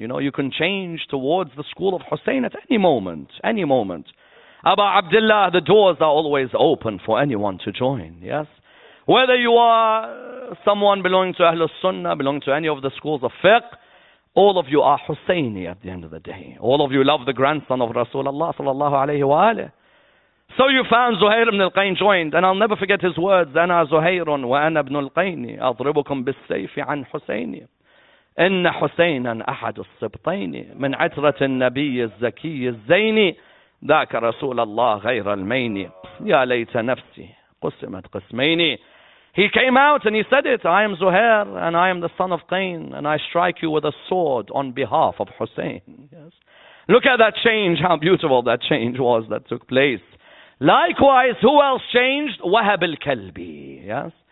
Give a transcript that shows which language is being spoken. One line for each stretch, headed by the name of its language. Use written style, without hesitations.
English: You know, you can change towards the school of Hussein at any moment, any moment. Abu Abdullah, the doors are always open for anyone to join, yes? Whether you are someone belonging to Ahlul Sunnah, belonging to any of the schools of fiqh, all of you are Husseini at the end of the day. All of you love the grandson of Rasulullah sallallahu alayhi wa alayhi. So you found Zuhair ibn al-Qayn joined, and I'll never forget his words,
Arabic: أَنَا زُهَيْرٌ وَأَنَا ابْنُ الْقَيْنِ أَضْرِبُكُمْ بِالسَّيْفِ عَنْ حُسَيْنِ إِنَّ حُسَيْنًا أَحَدُ السِّبْطَيْنِ مِنْ عِتْرَةِ النَّبِيِّ الزَّكِيِّ الزَّيْنِ ذَاكَ رَسُولَ اللَّهِ غَيْرَ الْمَيْنِ يَا لَيْتَ نَفْسِي قُسِمَتْ قِسْمَيْنِ.
English: He came out and he said it, I am Zuhair and I am the son of Qayn and I strike you with a sword on behalf of Hussein. Yes. Look at that change, how beautiful that change was that took place. Likewise, who else changed? Wahab al-Kalbi. Yes.